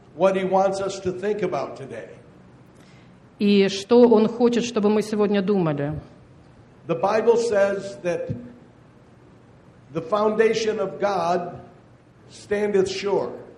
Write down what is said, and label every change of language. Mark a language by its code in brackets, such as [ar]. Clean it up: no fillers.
[en] What he wants us to think about today. [ru] И что он хочет, чтобы мы сегодня думали. [en] The Bible says that the foundation of God standeth sure.